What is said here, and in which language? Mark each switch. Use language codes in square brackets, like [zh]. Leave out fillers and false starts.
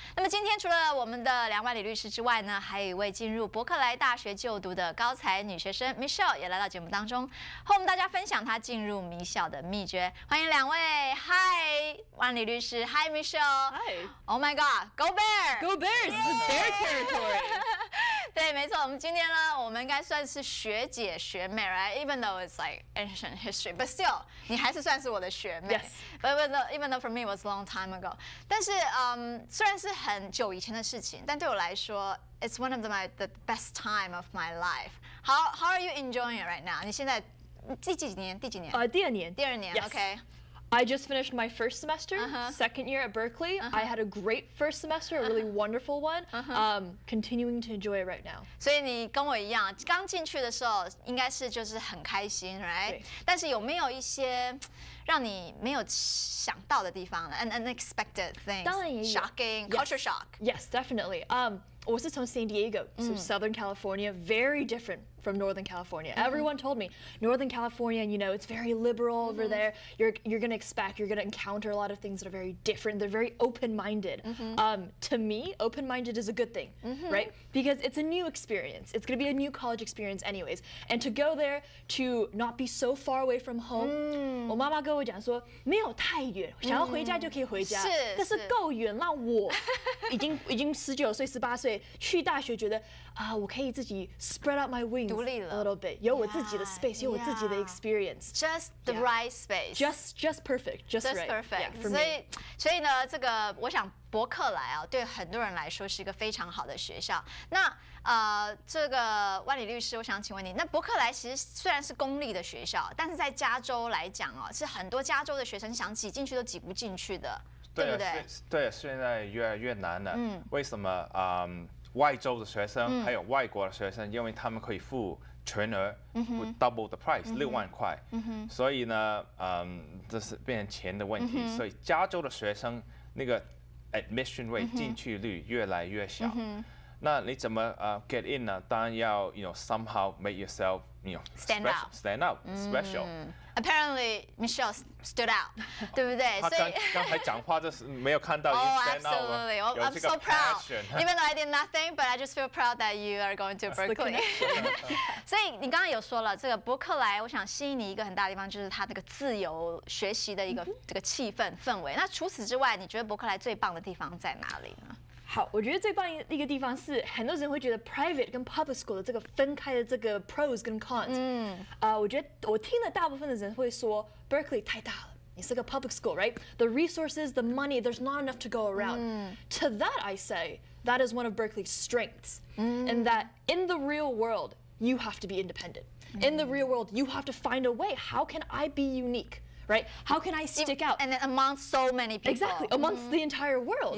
[zh] 那么今天除了我们的梁万里律师之外呢，还有一位进入伯克莱大学就读的高才女学生 Michelle 也来到节目当中，和我们大家分享她进入名校的秘诀。欢迎两位。嗨，万里律师。嗨 ，Michelle。嗨。 [en] Oh my God， Go Bear。 Go Bear， 是 Bear Territory。 [zh] 对，没错，我们今天呢，我们应该算是学姐学妹 ， [en] right？ Even though it's like ancient history， but still， [zh] 你还是算是我的学妹。 [en] Yes。 Even though for me it was a long time ago， [zh] 但是虽然是很久以前的事情，但对我来说 [en] ，it's one of the best time of my life。 How are you enjoying it right now？ [zh] 你现在第几年？第二年。第二年。 [en] Yes。 Okay。 I just finished my first semester, second year at Berkeley. Uh-huh. I had a great first semester, a really wonderful one. Uh-huh. Continuing to enjoy it right now. [zh] 所以你跟我一样，刚进去的时候应该是就是很开心 ，right？但是有没有一些让你没有想到的地方呢 ？ [en] An unexpected thing. [zh] 当然也有 [en] shocking culture shock. Yes, definitely. [zh] 我是从 [en] San Diego, so Southern California, very different from Northern California. Everyone told me, Northern California, you know, it's very liberal over there. You're going to expect, you're going to encounter a lot of things that are very different. They're very open-minded. To me, open-minded is a good thing, right? Because it's a new experience. It's going to be a new college experience anyways. And to go there, to not be so far away from home, [zh] 我妈妈跟我讲说没有太远，想要回家就可以回家，但是够远了，我已经19岁、18岁。对，去大学觉得啊，我可以自己 [en] spread out my wings [zh] 独立了 [en] a little bit， [zh] 有我自己的 space， yeah, 有我自己的 experience， [en] just the right space， just perfect， just right， perfect。 [zh] 所以呢，这个我想伯克莱啊，对很多人来说是一个非常好的学校。那这个万里律师，我想请问你，那伯克莱其实虽然是公立的学校，但是在加州来讲哦，是很多加州的学生想挤进去都挤不进去的。对，现在越来越难了。为什么外州的学生还有外国的学生，因为他们可以付全额 [en] double the price， [zh] 6万块。所以呢，这是变成钱的问题。所以加州的学生那个 admission rate 进去率越来越小。那你怎么 [en] get in [zh] 呢？当然要 [en] you know somehow make yourself you know stand out special。 Apparently, Michelle stood out, [zh] 对不对？所以刚才讲话就是没有看到 [en] Oh, absolutely. Well, I'm so proud. Even though I did nothing, but I just feel proud that you are going to Berkeley. [zh] 所以你刚刚有说了，这个伯克莱，我想吸引你一个很大的地方就是它那个自由学习的一个这个气氛氛围。那除此之外，你觉得伯克莱最棒的地方在哪里呢？好，我觉得最棒的一个地方是很多人会觉得 private 跟 public school 的这个分开的这个 pros 跟 cons。我觉得我听了大部分的人会说 Berkeley 太大了，你是个 public school， [en] right？ The resources， the money， there's not enough to go around。 To that I say that is one of Berkeley's strengths， and that in the real world you have to be independent。 In the real world you have to find a way， how can I be uniqueRight? How can I stick out? And then amongst so many people. Exactly. Amongst the entire world.